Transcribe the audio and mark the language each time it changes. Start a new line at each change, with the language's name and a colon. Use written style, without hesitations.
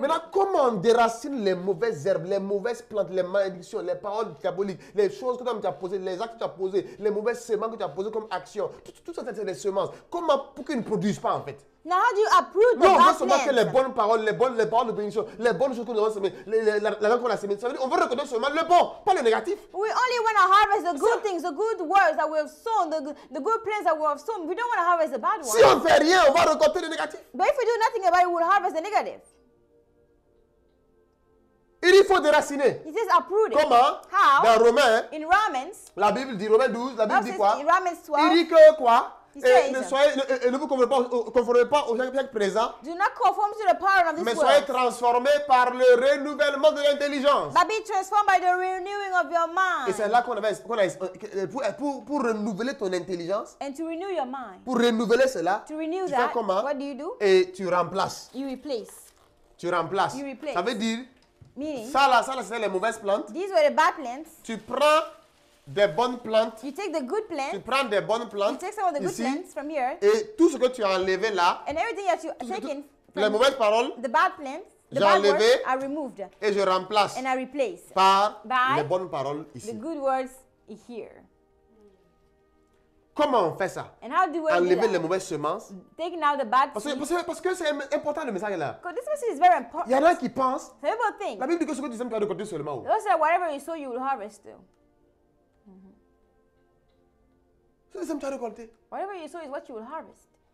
French: Maintenant, comment on déracine les mauvaises herbes, les mauvaises plantes, les malédictions, les paroles diaboliques, les choses que tu as posées, les actes que tu as posées, les mauvaises semences que tu as posées comme action. Tout ça, c'est des semences. Comment pour qu'ils ne produisent pas, en fait?
English: Now, how do you approve
French: non, on veut seulement que les bonnes paroles, les paroles de bénédiction, les bonnes choses que nous avons semées, la qu'on a semées, ça veut dire, on veut reconnaître seulement le bon, pas le négatif.
English: We only want to harvest the good things, the good words that we have sown, the good plants that we have sown. We don't want to harvest the bad ones.
French: Si on fait rien, on va récolter le négatif.
English: But if we do nothing about it, we'll harvest the negative.
French: Il faut déraciner.
English: He says uprooted.
French: Comment?
English: How?
French: Dans Romains.
English: In Romans.
French: La Bible dit Romains 12. La Bible dit quoi?
English: In Romans 12.
French: Il dit que quoi? Et ne vous conformez pas au siècle présent.
English: Do not conform to the power of this world.
French: Mais soyez transformés par le renouvellement de l'intelligence.
English: But be transformed by the renewing of your mind.
French: Et c'est là qu'on a pour renouveler ton intelligence.
English: And to renew your mind.
French: Pour renouveler cela.
English: To renew
French: tu
English: that.
French: Fais comment?
English: What do you do?
French: Et tu remplaces.
English: You replace.
French: Tu remplaces.
English: You replace.
French: Ça veut dire?
English: Meaning?
French: Ça là, c'est les mauvaises plantes.
English: These were the bad plants.
French: Tu prends des bonnes plantes.
English: You take the good plants.
French: Tu prends des bonnes plantes.
English: You take some of the good
French: ici,
English: plants from here.
French: Et tout ce que tu as enlevé là.
English: And everything that you taken.
French: Les mauvaises paroles.
English: The bad plants.
French: J'ai enlevé.
English: I removed.
French: Et je remplace.
English: And I replace.
French: Par
English: by
French: les bonnes paroles ici.
English: The good words here.
French: Comment on fait ça?
English: And how do we
French: enlever les mauvaises semences?
English: Taking out the bad seeds.
French: Parce que c'est important le message là.
English: Because this message is very important.
French: Il y en a qui pensent.
English: Some people think.
French: La Bible dit que ce que tu sèmes, tu vas récolter seulement.
English: They say whatever you sow, you will harvest too.
French: C'est ce que tu as récolté.
English: Whatever you sow is what you will harvest.